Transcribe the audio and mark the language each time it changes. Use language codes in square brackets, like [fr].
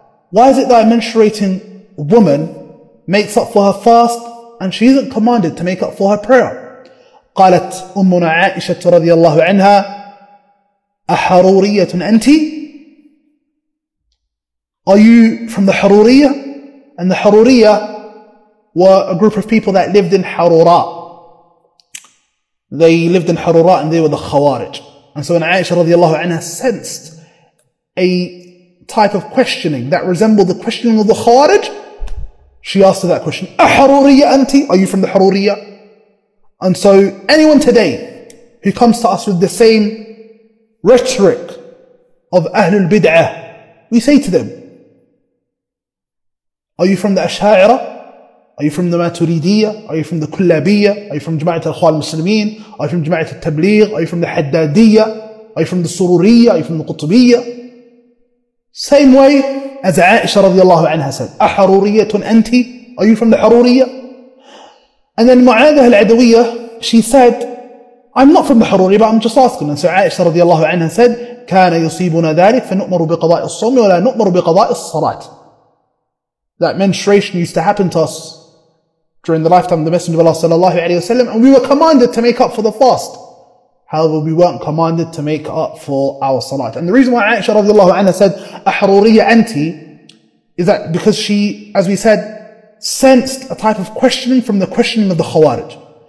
[en] Why is it that a menstruating woman makes up for her fast and she isn't commanded to make up for her prayer? [ar] قالت أمنا عائشة رضي الله عنها أحرورية أنت. [en] Are you from the Haruriyya? And the Haruriyya were a group of people that lived in Harura. They lived in Harura and they were the Khawarij. And so when Aisha [ar] رضي الله عنها [en] sensed a type of questioning that resembled the questioning of the Khawarij, she asked her that question, [ar] أحرورية أنت? [en] Are you from the Haruriyya? And so anyone today who comes to us with the same rhetoric of Ahlul Bid'ah, we say to them, are you from the Ash'a'ira? Are you from the Maturidiyya? Are you from the Kullabiyya? Are you from Jama'at al-Akhwal al-Muslimin? Are you from Jama'at al-Tabligh? Are you from the Haddadiyya? Are you from the Sururiyya? Are you from the Qutubiyya? Same way as Aisha radiallahu anha said, [ar] أحروريةٌ أنتِ? [en] Are you from the Haruriyya? And then Mu'adha al-Adawiyyah, she said, I'm not from the Haruriyya, but I'm just asking. And so Aisha radiallahu anha said, [ar] كَانَ يُصِيبُنَا ذَلِكَ فَنُؤْمَرُ بِقَضَاءِ الصَّوْمِ وَلَا نُؤْمَرُ بِقَضَاءِ الصَّلَاةِ. [en] That menstruation used to happen to us during the lifetime of the Messenger of Allah sallallahu alayhi wa sallam, and we were commanded to make up for the fast. However, we weren't commanded to make up for our salat. And the reason why Aisha radiallahu anha said, [ar] أحروريّة أنتِ, [en] is that because she, as we said, sensed a type of questioning from the questioning of the Khawarij.